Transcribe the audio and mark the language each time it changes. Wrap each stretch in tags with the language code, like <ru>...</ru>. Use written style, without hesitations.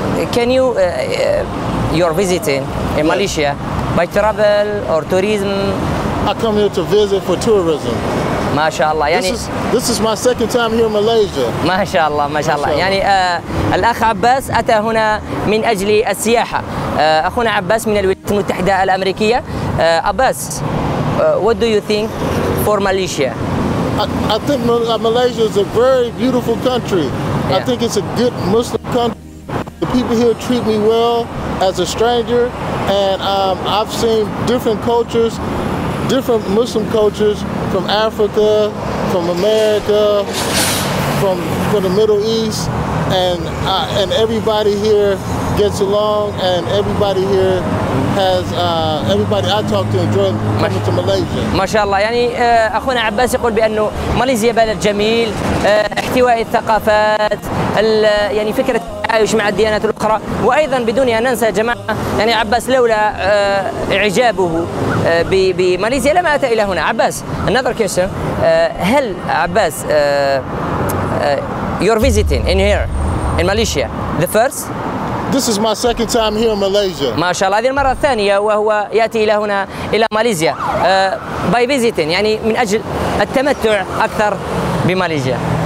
<en>Can you you're visiting in yes. Malaysia by travel or tourism? I come here to visit for tourism.</en> <ar>ما شاء الله. يعني</ar> <en>this is my second time here in Malaysia.</en> <ar>ما شاء الله ما شاء الله. يعني الأخ عباس أتى هنا من أجل السياحة. أخونا عباس من الولايات المتحدة الأمريكية.</ar> <en>عباس, what do you think for Malaysia? I think Malaysia is a very beautiful country. Yeah. I think it's a good Muslim country. The people here treat me well as a stranger, and I've seen different cultures, different Muslim cultures from Africa, from America, from the Middle East, and everybody here gets along, and everybody here has everybody I talk to enjoy coming to Malaysia.</en> <ar>ما شاء الله. يعني أخونا عباس يقول بأنه ماليزيا بلد جميل, احتواء الثقافات, يعني فكرة عايش مع الديانات الأخرى, وأيضا بدون أن ننسى جماعة يعني عباس لولا إعجابه بماليزيا لما أتى إلى هنا.</ar> <en>عباس, another question,</en> <ar>هل</ar> <en>عباس you're visiting in here in Malaysia the first? This is my second time here in Malaysia.</en> <ar>ما شاء الله, هذه المرة الثانية وهو يأتي إلى هنا إلى ماليزيا</ar> <en>by visiting,</en> <ar>يعني من أجل التمتع أكثر بماليزيا.</ar>